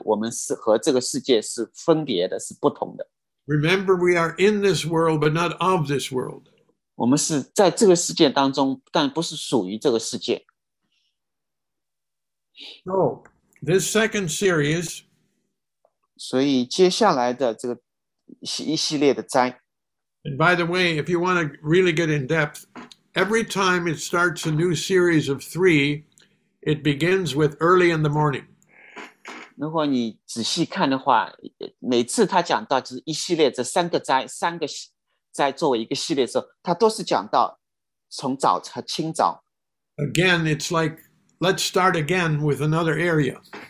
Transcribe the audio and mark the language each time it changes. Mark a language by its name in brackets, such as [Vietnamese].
[Chinese] 在自然界我们不是说要与这个世界离开分别，但是在灵里面确实我们是和这个世界是分别的，是不同的。 [English] Remember, we are in this world, but not of this world. [Chinese] 我们是在这个世界当中，但不是属于这个世界。 [English] So, this second series, [Chinese] 所以接下来的这个一系列的灾, [English] and by the way, if you want to really get in depth, every time it starts a new series of three, it begins with early in the morning. [Chinese] 如果你仔细看的话, 每次他讲到就是一系列这三个灾作为一个系列的时候, 他都是讲到从早晨清早。 [English] Again, it's like, let's start again with another area.